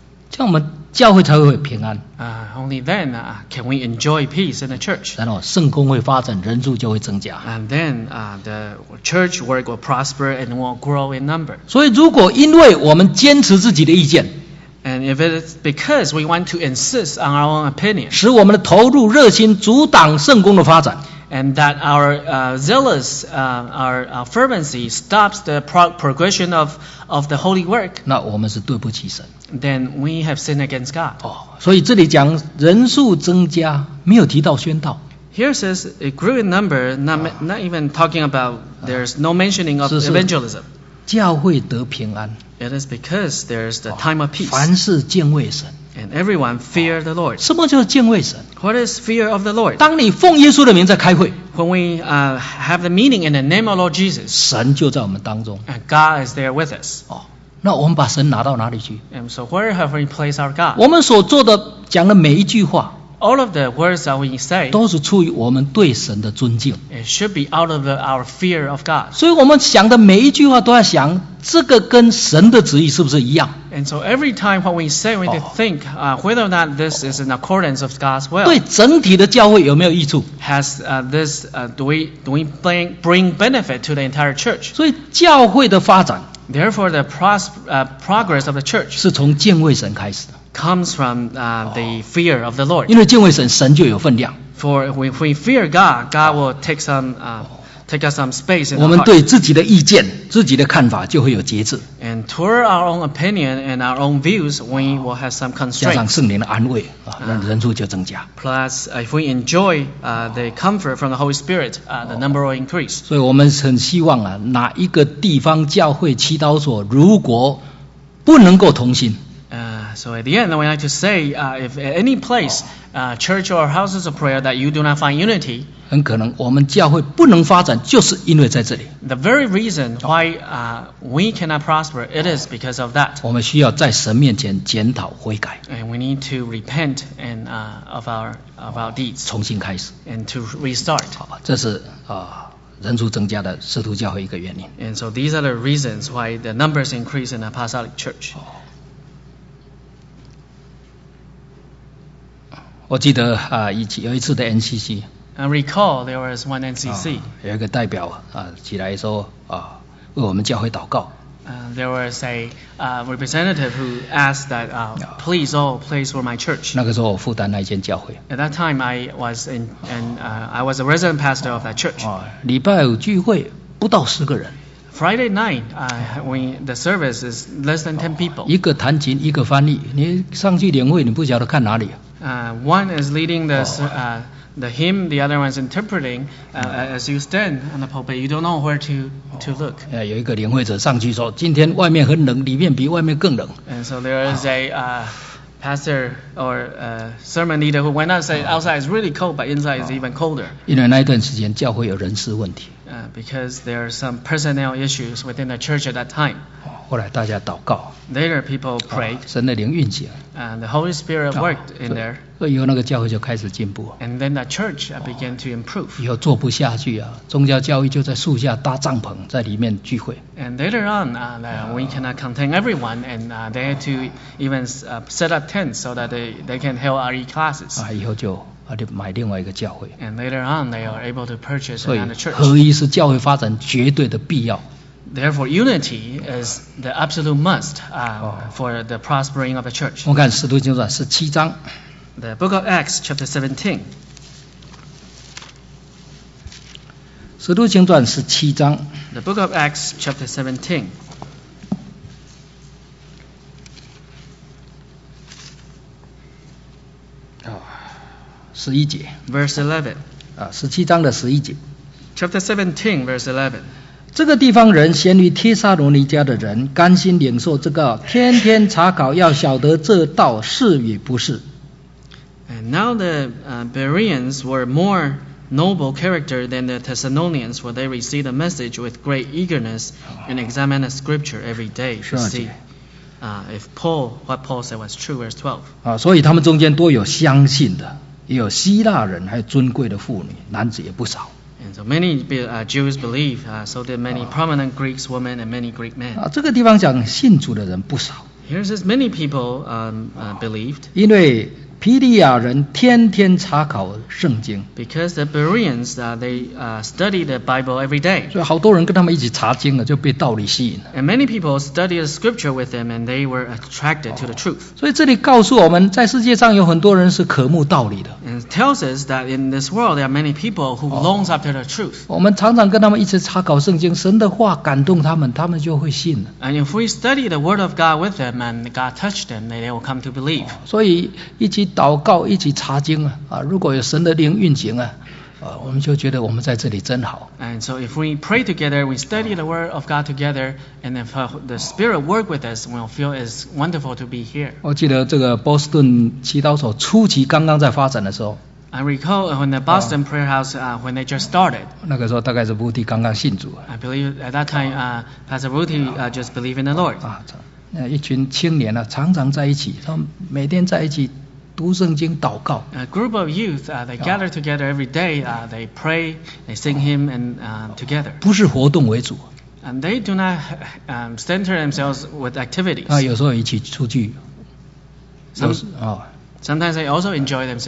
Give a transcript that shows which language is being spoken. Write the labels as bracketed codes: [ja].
[zh] 这样我们教会才会平安。 [en] Only then can we enjoy peace in the church。 [zh] 然后圣工会发展，人数就会增加。 [en] And then the church work will prosper and will grow in number。 [zh] 所以如果因为我们坚持自己的意见 [en] ，and if it's because we want to insist on our own opinion， [zh] 使我们的投入热心阻挡圣工的发展。 [en] And that our zealous, our fervency stops the progression of the holy work. [zh] 那我们是对不起神。 [en] Then we have sinned against God. [zh] 所以这里讲人数增加，没有提到宣道。 [en] Here says it grew in number, not even talking about there's no mentioning of evangelism. [zh] 教会得平安。 [en] It is because there's the time of peace. [zh] 凡事敬畏神。 [en] And everyone fear the Lord. [zh] 什么叫敬畏神？ [en] What is fear of the Lord? [zh] 当你奉耶稣的名在开会， [en] When we have the meeting in the name of Lord Jesus, [zh] 神就在我们当中。 [en] And God is there with us. [zh] 那我们把神拿到哪里去？ [en] And so where have we placed our God? [zh] 我们所做的讲的每一句话， [en] all of the words that we say [zh] 都是出于我们对神的尊敬。 [en] It should be out of our fear of God. [zh] 所以我们想的每一句话都要想，这个跟神的旨意是不是一样？ [en] And so every time what we say, we need to think, whether or not this is in accordance of God's will. [zh] 对整体的教会有没有益处？ [en] Has this do we bring benefit to the entire church? [zh] 所以教会的发展。 [en] Therefore, the progress of the church [zh] 是从敬畏神开始的。 [en] Comes from the fear of the Lord. [zh] 因为敬畏神，神就有分量。 [en] For if we fear God, God will take some take us some space in our heart. [zh] 我们对自己的意见、自己的看法就会有节制。 [en] And toward our own opinion and our own views, we will have some constraint. [zh] 加上圣灵的安慰啊，那人数就增加。 [en] Plus, if we enjoy the comfort from the Holy Spirit, the number will increase. [zh] 所以我们很希望啊，哪一个地方教会祈祷所如果不能够同心。 [en] So at the end, I would like to say, if at any place, church or houses of prayer that you do not find unity, [zh] 很可能我们教会不能发展，就是因为在这里。 [en] The very reason why we cannot prosper, it is because of that. [zh] 我们需要在神面前检讨悔改。 [en] And we need to repent and of our deeds. [zh] 重新开始。 [en] And to restart. [zh] 这是人数增加的使徒教会一个原因。 [en] And so these are the reasons why the numbers increase in the apostolic church. [zh] 我记得有一次的 NCC， [en] I recall there was one NCC， [zh] 有一个代表起来说为我们教会祷告。 [en] There was a representative who asked that please all place for my church。 [zh] 那个时候我负担那间教会。 [en] At that time I was in and I was a resident pastor of that church。 [zh] 礼拜五聚会不到十个人。 [en] Friday night, when the service is less than 10 people. [zh] 一个弹琴，一个翻译，你上去领会，你不晓得看哪里。 [en] One is leading the hymn, the other one is interpreting. As you stand on the pulpit, you don't know where to look. [zh] 有一个领会者上去说，今天外面很冷，里面比外面更冷。 [en] And so there is a pastor or sermon leader who went out and said, outside is really cold, but inside is even colder. [zh] 因为那段时间教会有人事问题。 [en] Because there are some personnel issues within the church at that time. [zh] 后来大家祷告。 [en] Later people prayed. [zh] 神的灵运行。 [en] And the Holy Spirit worked in there. [zh] 所以以后那个教会就开始进步。 [en] And then the church began to improve. [zh] 以后做不下去宗教教育就在树下搭帐篷在里面聚会。 [en] And later on, we cannot contain everyone, and they had to even set up tents so that they can hold RE classes. [zh] 以后就。买另外一个教会。 [en] And later on, they are able to purchase another church. [zh] 所以合一是教会发展绝对的必要。 [en] Therefore, unity is the absolute must for the prospering of a church. [zh] 我看使徒行传十七章。 [en] The Book of Acts, chapter 17. [zh] 使徒行传十七章。 [en] The Book of Acts, chapter 17. [zh] 十一节 [en] ，verse [zh] 11，十七章的十一节 [en] ，chapter 17 verse 11。 [zh] 这个地方人，先于帖撒罗尼迦的人，甘心领受这个，天天查考，要晓得这道是与不是。 [en] And now the Bereans were more noble character than the Thessalonians, for they received the message with great eagerness and examined the scripture every day to see. If Paul, what Paul said was true, verse 12. [zh] 所以他们中间多有相信的。也有希腊人，还有尊贵的妇女，男子也不少。 [en] And so many Jews believe, so did many prominent Greek women and many Greek men. [zh] 这个地方讲信主的人不少。 [en] Here says many people believed. [zh] 因为皮利亚人天天查考圣经。 [en] Because the Bereans they study the Bible every day. [zh] 所以好多人跟他们一起查经了，就被道理吸引了。 [en] And many people study the scripture with them, and they were attracted to the truth. [zh] 所以这里告诉我们，在世界上有很多人是渴慕道理的。 [en] And it tells us that in this world there are many people who longs after the truth. [zh] 我们常常跟他们一起查考圣经，神的话感动他们，他们就会信了。 [en] And if we study the word of God with them and God touched them, they will come to believe. [zh] 所以一起祷告一起查经如果有神的灵运行我们就觉得我们在这里真好。 [en] And so if we pray together, we study the word of God together, and if the Spirit work with us, we'll feel it's wonderful to be here. [zh] 我记得这个波士顿祈祷所初期刚刚在发展的时候。 [en] I recall when the Boston Prayer House, when they just started. [zh] 那个时候大概是 Ruthy 刚刚信主。 [en] I believe at that time, Pastor Ruthy just believed in the Lord. [zh] 一群青年常常在一起，他们每天在一起。读圣经祷告。 [en] A group of youth, they gather together every day, they pray, they sing hymn and together. [zh] 不是活动为主。 [en] And they do not center themselves with activities. [zh] 啊，有时候一起出去。 [en] Sometimes they also enjoy themselves out